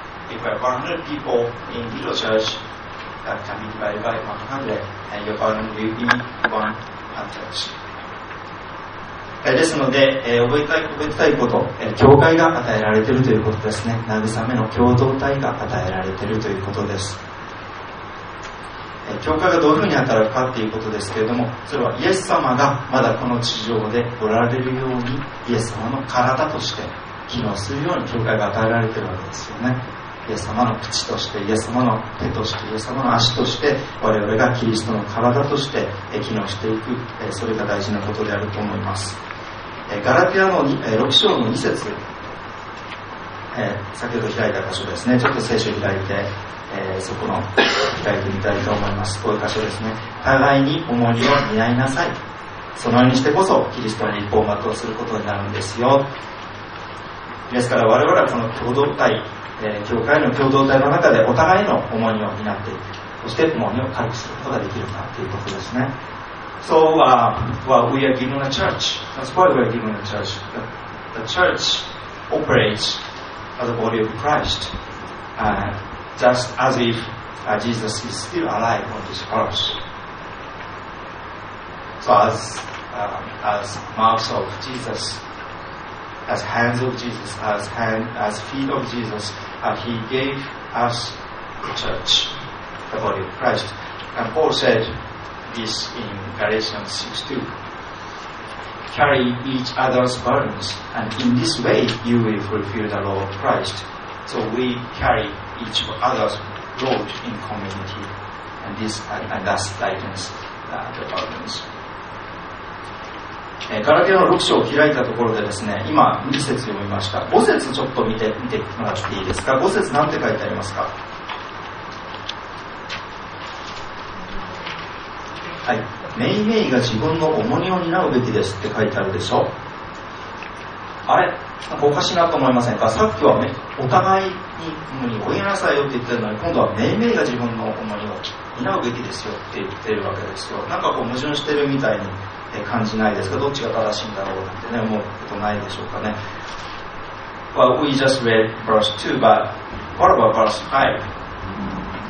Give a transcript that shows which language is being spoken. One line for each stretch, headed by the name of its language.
English: If we have 100 people in little church, that can be divided by 100, and your burden will be 1/8.
Japanese: ですので、覚えたいこと、教会が与えられているということですね。慰めの共同体が与えられているということです。教会がどういうふうに働くかということですけれども、それはイエス様がまだこの地上でおられるように、イエス様の体として機能するように教会が与えられているわけですよね。イエス様の口として、イエス様の手として、イエス様の足として、我々がキリストの体として機能していく、それが大事なことであると思います。ガラティアの6章の2節、先ほど開いた箇所ですね。ちょっと聖書を開いて、そこの開いてみたいと思います。こういう箇所ですね。互いに重荷を担いなさい。そのようにしてこそキリストの立法を全うすることになるんですよ。ですから我々はこの共同体、教会の共同体の中でお互いの重荷を担っていく、そして重荷を軽くすることができるかということですね。
English: So, we are given a church. That's why we are given a church. The church operates as a body of Christ, just as if Jesus is still alive on this cross. So, as mouth of Jesus, as hands of Jesus, as feet of Jesus, he gave us the church, the body of Christ. And Paul said,this in Galatians 6:2. Carry each other's burdens, and in this way you will fulfill the law of Christ. So we carry each other's load in community, and this and thus lightens the burdens.
Japanese: ガラテヤの6章を開いたところでですね、今2節読みました。 5節ちょっと見てもらっていいですか。5節なんて書いてありますか。はい、メイメイが自分の重荷を担うべきですって書いてあるでしょ。あれ、なんかおかしいなと思いませんか。さっきはお互いに重荷を負いなさいよって言ってるのに、今度はメイメイが自分の重荷を担うべきですよって言ってるわけですよ。なんかこう矛盾してるみたいに感じないですか。どっちが正しいんだろうなんてね、思うことないでしょうかね。
English: Well, we just read verse 2, but what about verse 5?